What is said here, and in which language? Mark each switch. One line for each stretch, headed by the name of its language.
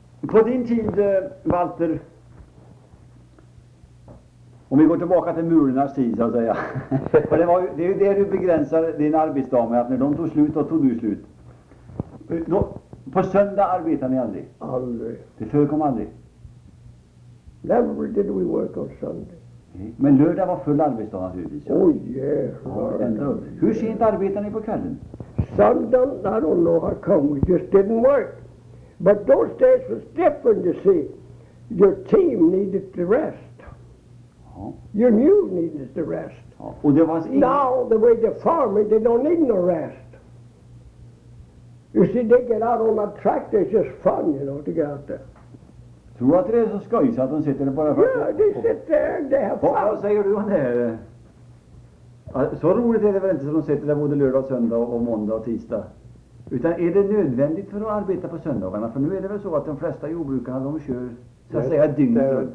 Swedish: På din tid, Walter, om vi går tillbaka till murernas tid så att säga, för det är ju det du begränsar din arbetsdag med, att när de tog slut, då tog du slut. På söndag arbetar ni aldrig? Aldrig. Det förekom aldrig?
English: Never did we work on Sunday.
Swedish: Men lördag var full arbetsdag naturligtvis.
English: Oh yeah.
Swedish: Hur sent arbetar ni på kvällen?
English: Sunday, I don't know how come, we just didn't work. But those days was different, you see. Your team needed to rest.
Swedish: Ja.
English: Your new needed to rest.
Swedish: Ja. Och det var ingen.
English: Now, the way they're farming, they don't need no rest. You see, they get out on that tractor, it's just fun, you know, to get out there.
Swedish: Tror att det är så skoj så att de sitter där bara för att.
English: Ja, they sit there and they have fun.
Swedish: Vad säger du om det? Så roligt är det väl inte som de sitter där både lördag och söndag och måndag och tisdag. Utan är det nödvändigt för att arbeta på söndagarna? För nu är det väl så att de flesta jordbrukarna, de kör, så att säga, dygnet.